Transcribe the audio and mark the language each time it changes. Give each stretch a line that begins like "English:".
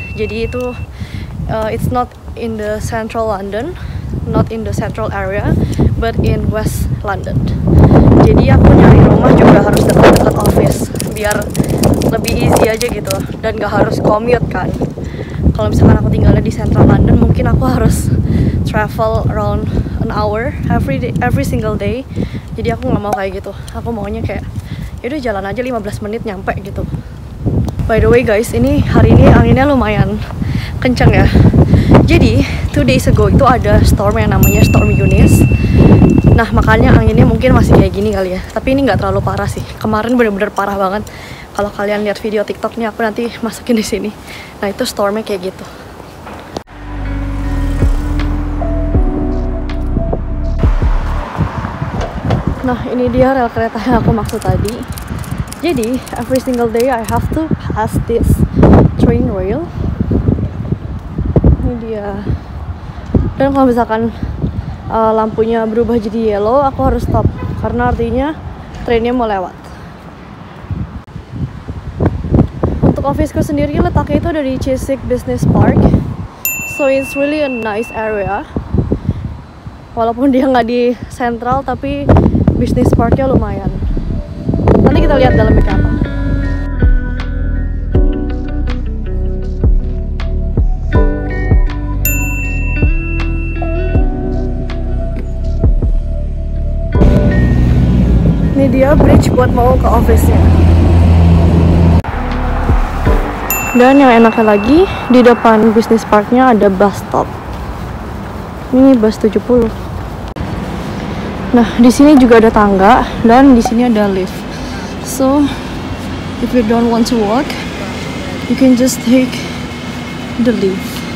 Indonesian: Jadi itu
English: it's not in the central London, not in the central area, but in West London.
Indonesian: Jadi aku nyari rumah juga harus dekat-dekat office biar lebih easy aja gitu dan gak harus commute kan. Kalau misalkan aku tinggalnya di central London, mungkin aku harus
English: travel around an hour every single day.
Indonesian: Jadi aku gak mau kayak gitu. Aku maunya kayak yaudah jalan aja 15 menit nyampe gitu. By the way guys, ini hari ini anginnya lumayan kencang ya. Jadi
English: 2 days ago
Indonesian: itu ada storm yang namanya Storm Eunice. Nah makanya anginnya mungkin masih kayak gini kali ya. Tapi ini gak terlalu parah sih. Kemarin benar-benar parah banget. Kalau kalian lihat video TikToknya aku nanti masukin di sini. Nah itu stormnya kayak gitu. Nah ini dia rel kereta yang aku maksud tadi. Jadi
English: every single day I have to pass this train rail.
Indonesian: Ini dia. Dan kalau misalkan lampunya berubah jadi yellow, aku harus stop karena artinya trainnya mau lewat. Untuk officeku sendiri letaknya itu ada di Chiswick Business Park,
English: so it's really a nice area.
Indonesian: Walaupun dia nggak di sentral, tapi Business Parknya lumayan. Nanti kita lihat dalamnya kayak apa. Ini dia bridge buat mau ke office-nya. Dan yang enaknya lagi, di depan Business Parknya ada bus stop. Ini bus 70. Nah, di sini juga ada tangga dan di sini ada lift.
English: So, if you don't want to walk, you can just take the lift.